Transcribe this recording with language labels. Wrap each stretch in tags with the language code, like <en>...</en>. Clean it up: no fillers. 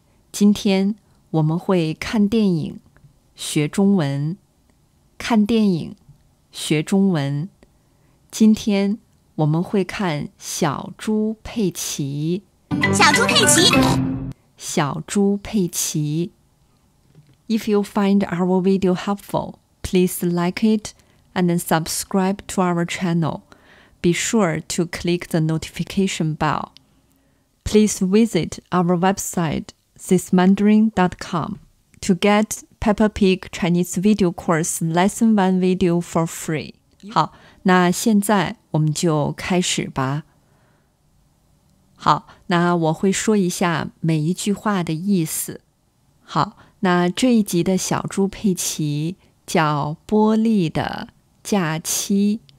<zh>今天我们会看电影，学中文。看电影，学中文。今天我们会看小猪佩奇。小猪佩奇。小猪佩奇。</zh> <en>If you find our video helpful, please like it and subscribe to our channel. Be sure to click the notification bell. Please visit our website, systematically.com, to get Peppa Pig Chinese video course lesson 1 video for free.</en> <zh>好，那现在我们就开始吧。好，那我会说一下每一句话的意思。好，那这一集的小猪佩奇叫波利的假期。</zh>